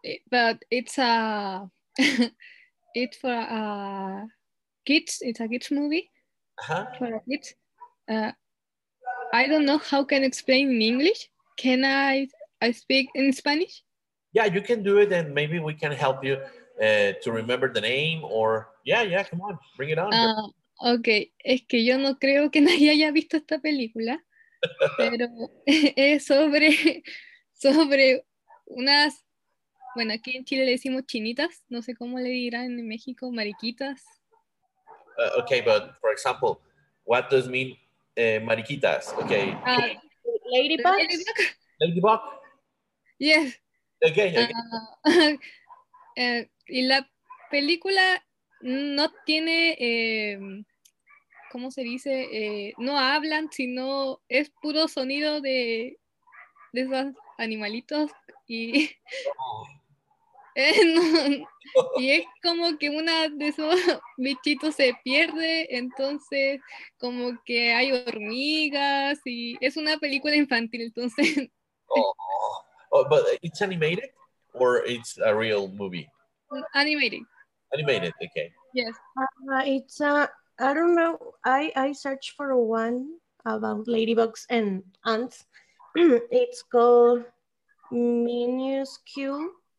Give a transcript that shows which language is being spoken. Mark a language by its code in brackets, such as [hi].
[en] But it's a it's a kids movie. Uh-huh. For kids. I don't know how can explain in English. Can I speak in Spanish? Yeah, you can do it, and maybe we can help you to remember the name. Or yeah, come on, bring it on. [es] Okay, es que yo no creo que nadie haya visto esta película. Pero es sobre unas, bueno, aquí en Chile le decimos chinitas, no sé cómo le dirán en México, mariquitas. [en] Okay, but for example, what does mean mariquitas? Okay. Ladybug? Ladybug? Yes. Again. [es] Y la película no tiene, ¿cómo se dice? No hablan, sino es puro sonido de esos animalitos y... no, y es como que una de esos bichitos se pierde, entonces como que hay hormigas y es una película infantil, entonces. [en] Oh, but it's animated or it's a real movie? Animated. Animated, okay. Yes. It's a, I don't know, I searched for one about ladybugs and ants. It's called Minuscule.